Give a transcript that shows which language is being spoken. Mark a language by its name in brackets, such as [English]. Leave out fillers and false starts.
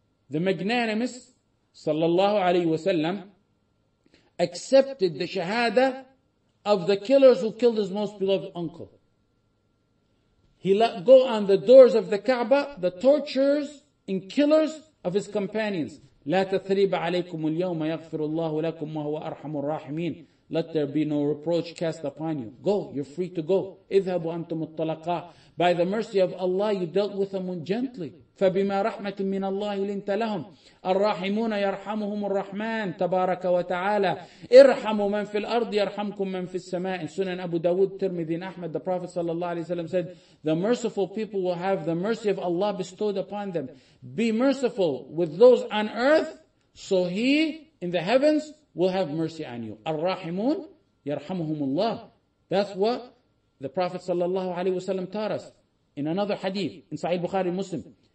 [English] The magnanimous, sallallahu alayhi wa sallam, accepted the shahada of the killers who killed his most beloved uncle. He let go on the doors of the Kaaba, the torturers and killers of his companions. [Arabic] لا تثريب عليكم اليوم يغفر الله لكم وهو أرحم الراحمين. [English] Let there be no reproach cast upon you. Go, you're free to go. [Arabic] اذهبوا أنتم الطلقاء. [English] By the mercy of Allah, you dealt with them gently. [Arabic] فبما رحمة من الله لنت لهم. الراحمون يرحمهم الرحمن تبارك وتعالى. ارحموا من في الأرض يرحمكم من في السماء. [English] In Sunan Abu Dawud, Tirmidhi, Ahmad, the Prophet sallallahu alaihi wasallam said, the merciful people will have the mercy of Allah bestowed upon them. Be merciful with those on earth, so He in the heavens will have mercy on you. [Arabic] Ar-Rahimun yarhamuhumullah. [English] That's what the Prophet sallallahu alaihi wasallam taught us in another hadith in Sahih Bukhari Muslim.